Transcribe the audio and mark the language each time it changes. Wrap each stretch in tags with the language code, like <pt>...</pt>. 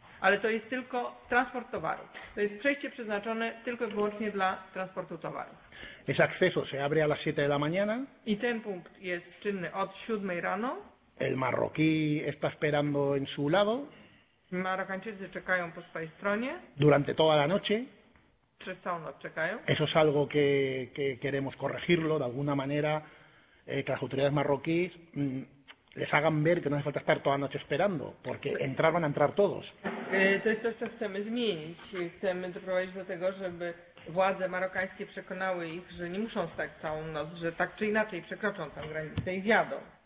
<pl>Ale to jest tylko transport towarów. To jest przejście przeznaczone tylko i wyłącznie dla transportu towarów.</pl> <es>Ese acceso se abre a las 7 de la mañana.</es> <pl>I ten punkt jest czynny od 7 rano.</pl> <es>El marroquí está esperando en su lado.</es> <pl>Marokańczycy czekają po swojej stronie.</pl> <es>Durante toda la noche.</es> <pl>Przez całą noc czekają.</pl> <es>Eso es algo que queremos corregirlo de alguna manera, que las autoridades marroquíes les hagan ver que no hace falta estar toda la noche esperando, porque entrar van a entrar todos.</es> <pl>To jest to, co chcemy zmienić. Chcemy doprowadzić do tego, żeby władze marokańskie przekonały ich, że nie muszą stać całą noc, że tak czy inaczej przekroczą tę granicę i wjadą.</pl>